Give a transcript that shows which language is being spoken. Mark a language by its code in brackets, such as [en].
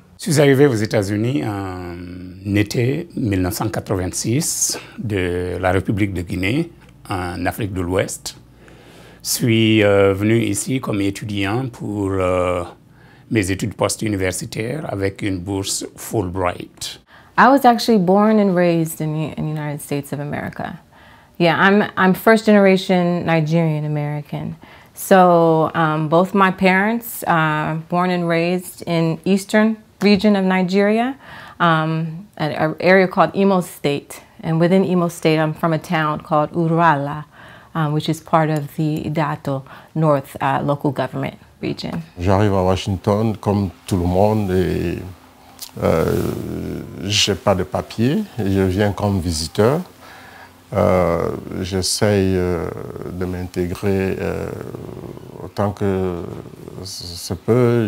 [fr] Je suis arrivé aux États-Unis en été 1986 de la République de Guinée en Afrique de l'Ouest. Je suis venu ici comme étudiant pour mes études post-universitaires avec une bourse Fulbright. [en] I was actually born and raised in the United States of America. Yeah, I'm first generation Nigerian American. So both my parents born and raised in eastern region of Nigeria, an area called Imo State. And within Imo State, I'm from a town called Urala, which is part of the Idato North local government. [fr] J'arrive à Washington comme tout le monde et je n'ai pas de papier. Je viens comme visiteur. J'essaye de m'intégrer autant que se peut.